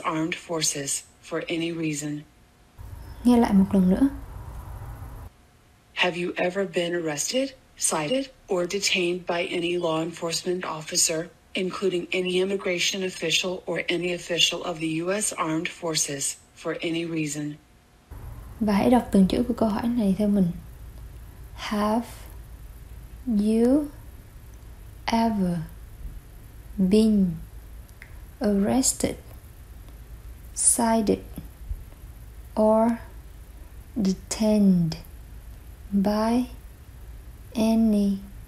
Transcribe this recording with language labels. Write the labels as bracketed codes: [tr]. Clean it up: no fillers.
[en] Armed Forces, for any reason? [vi] Nghe lại một lần nữa. [en] Have you ever been arrested, cited, or detained by any law enforcement officer, including any immigration official or any official of the U.S. Armed Forces, for any reason? [vi] Và hãy đọc từng chữ của câu hỏi này theo mình. [en] Have you ever been arrested, cited, or detained by any